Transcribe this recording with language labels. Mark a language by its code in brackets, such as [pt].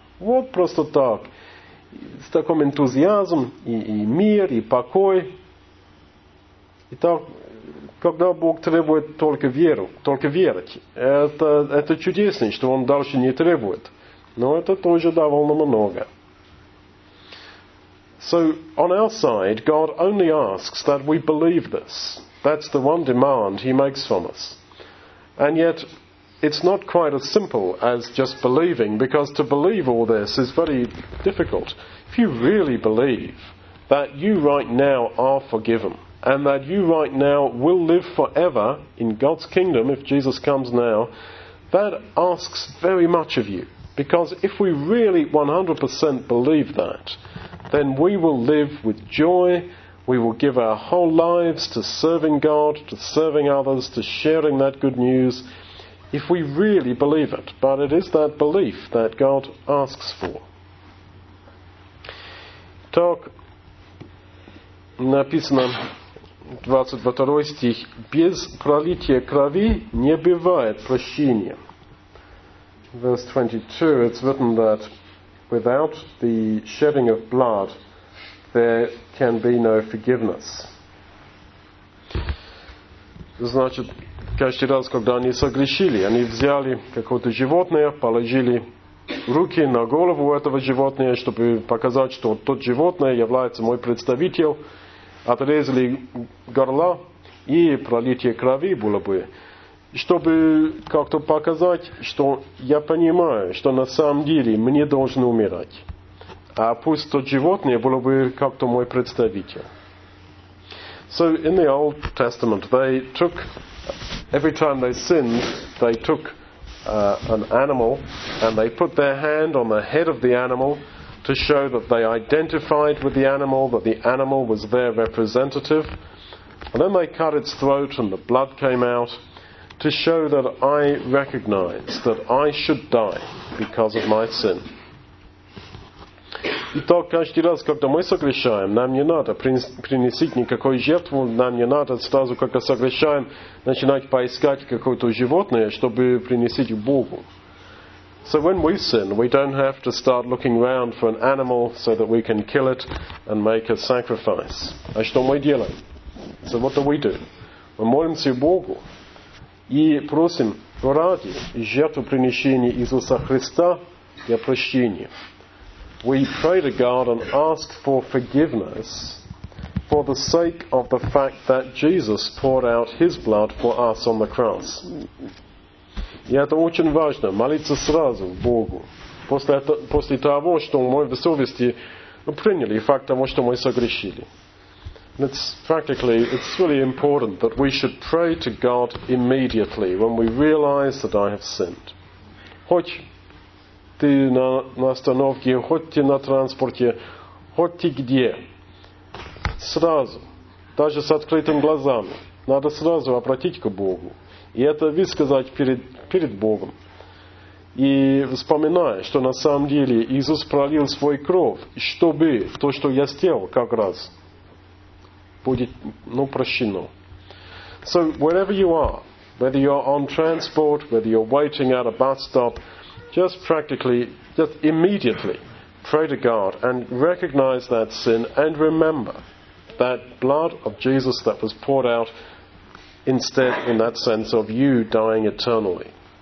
[ru] Вот просто так. С таким энтузиазмом и мир, и покой. Итак, когда Бог требует только веру, только верить, это чудесно, что Он дальше не требует. Но это тоже довольно много. [en] So, on our side, God only asks that we believe this. That's the one demand He makes from us. And yet, it's not quite as simple as just believing, because to believe all this is very difficult. If you really believe that you right now are forgiven, and that you right now will live forever in God's kingdom, if Jesus comes now, that asks very much of you. Because if we really 100% believe that, then we will live with joy, we will give our whole lives to serving God, to serving others, to sharing that good news, if we really believe it. But it is that belief that God asks for. [ru] Так, написано 22 стих, без пролития крови не бывает прощения. [en] Verse 22, it's written that without the shedding of blood, there can be no forgiveness. [ru] Значит, каждый раз, когда они согрешили, они взяли какое-то животное, положили руки на голову этого животного, чтобы показать, что тот животное является мой представитель, отрезали горло, и пролитие крови было бы. Чтобы как-то показать, что я понимаю, что на самом деле мне должно умирать. А пусть то животное было бы как-то мой представитель. [en] So in the Old Testament, they took, every time they sinned, they took an animal and they put their hand on the head of the animal to show that they identified with the animal, that the animal was their representative. And then they cut its throat and the blood came out. To show that I recognize that I should die because of my sin. [ru] Итак, каждый раз, когда мы согрешаем, нам не надо приносить никакой жертву, нам не надо сразу, когда согрешаем, начинать поискать какое-то животное, чтобы принести Богу. [en] So when we sin, we don't have to start looking around for an animal so that we can kill it and make a sacrifice. [ru] А что мы делаем? [en] So what do we do? [ru] Мы молимся Богу и просим ради жертвоприношения Иисуса Христа для прощения. [en] We pray to God and ask for forgiveness for the sake of the fact that Jesus poured out His blood for us on the cross. [ru] И это очень важно, молиться сразу Богу. После того, что мы в совести приняли факт того, что мы согрешили. [en] It's really important that we should pray to God immediately when we realize that I have sinned. [ru] Хоть ты на остановке, хоть ты на транспорте, хоть ты где, сразу, даже с открытыми глазами, надо сразу обратить к Богу. И это высказать перед Богом. И вспоминая, что на самом деле Иисус пролил свой кровь, чтобы то, что я сделал, как раз будет, ну, прощено. [en] So wherever you are, whether you're on transport, whether you're waiting at a bus stop, just practically, just immediately pray to God and recognize that sin and remember that blood of Jesus that was poured out instead in that sense of you dying eternally.